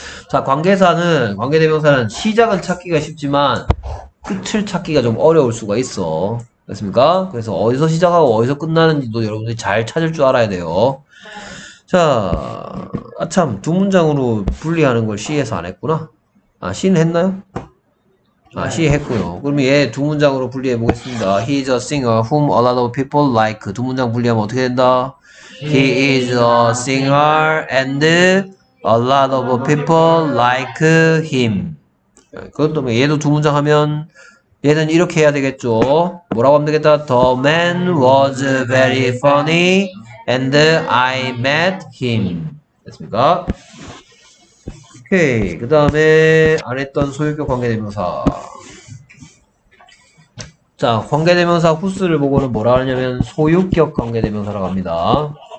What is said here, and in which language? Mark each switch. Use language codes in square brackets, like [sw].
[ko] 자, 관계사는, 관계대명사는 시작은 찾기가 쉽지만 끝을 찾기가 좀 어려울 수가 있어. 됐습니까? 그래서 어디서 시작하고 어디서 끝나는지도 여러분들이 잘 찾을 줄 알아야 돼요. 자, 아 참, 두 문장으로 분리하는 걸 C에서 안 했구나. 아, C는 했나요? 아, C 했고요. 그럼 얘 두 문장으로 분리해 보겠습니다. [en] He is a singer whom a lot of people like. [ko] 두 문장 분리하면 어떻게 된다? [en] He is a singer and a lot of people like him. [ko] 그것도 얘도 두 문장 하면 얘는 이렇게 해야 되겠죠. 뭐라고 하면 되겠다. [en] The man was very funny and I met him. [ko] 됐습니까? 오케이. 그 다음에 안 했던 소유격 관계대명사. 자, 관계대명사 후스를 보고는 뭐라 하냐면 소유격 관계대명사라고 합니다.